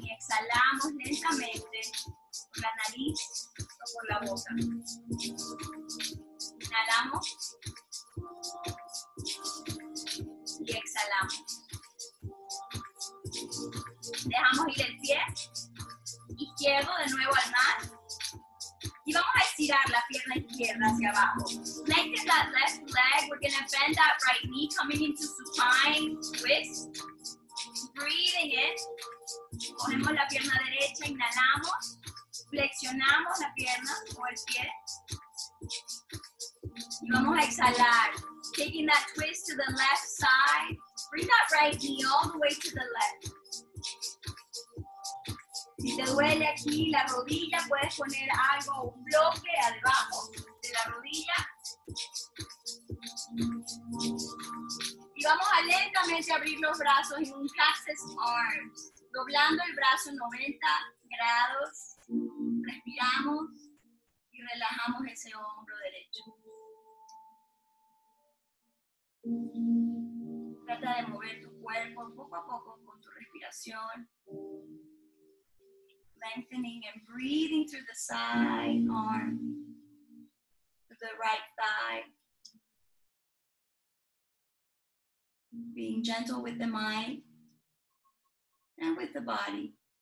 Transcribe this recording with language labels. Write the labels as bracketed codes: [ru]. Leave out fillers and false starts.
[es] Y exhalamos lentamente por la nariz o por la boca. Inhalamos. Y exhalamos. Dejamos ir el pie izquierdo de nuevo al mar. Y vamos a estirar la pierna izquierda hacia abajo. [en] Lengthen that left leg. We're going to bend that right knee, coming into supine twist. Breathing in. [es] Cogemos la pierna derecha, inhalamos. Flexionamos la pierna o el pie. Y vamos a exhalar. [en] Taking that twist to the left side. Bring that right knee all the way to the left. [es] Si te duele aquí la rodilla, puedes poner algo, un bloque debajo de la rodilla. Y vamos a lentamente abrir los brazos en un cactus arm. Doblando el brazo 90 grados. Respiramos y relajamos ese hombro derecho. Trata de mover tu cuerpo poco a poco con tu respiración. [en] Lengthening and breathing through the side arm, through the right thigh. Being gentle with the mind and with the body.